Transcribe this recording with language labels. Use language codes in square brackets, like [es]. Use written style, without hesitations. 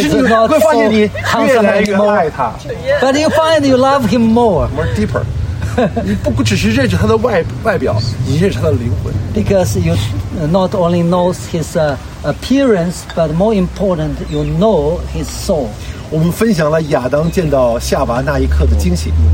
[zh] 是你会发现你越来越爱他 [en] ，but you find you love him more， more deeper。 [zh] 你不只是认识他的外表，你认识他的灵魂。 [en] Because you not only knows his appearance, but more important, you know his soul. [zh] 我们分享了亚当见到夏娃那一刻的惊喜。